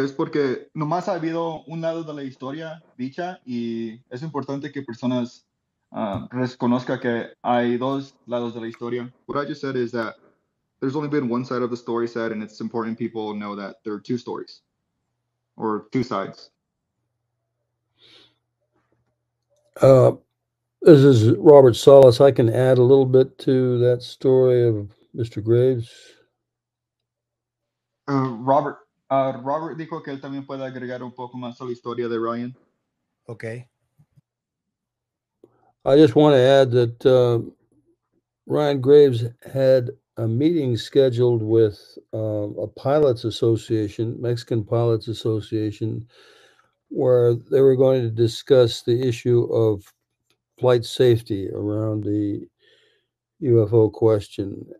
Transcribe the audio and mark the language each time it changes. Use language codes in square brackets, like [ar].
[es] Es porque nomás ha habido un lado de la historia dicha y es importante que personas reconozca que hay dos lados de la historia. [en] What I just said is that there's only been one side of the story said, and it's important people know that there are two stories or two sides. This is Robert Salas. I can add a little bit to that story of Mr. Graves. [es] Robert dijo que él también puede agregar un poco más a la historia de Ryan. [en] Okay. I just want to add that Ryan Graves had a meeting scheduled with a pilots association, Mexican Pilots Association, where they were going to discuss the issue of flight safety around the UFO question.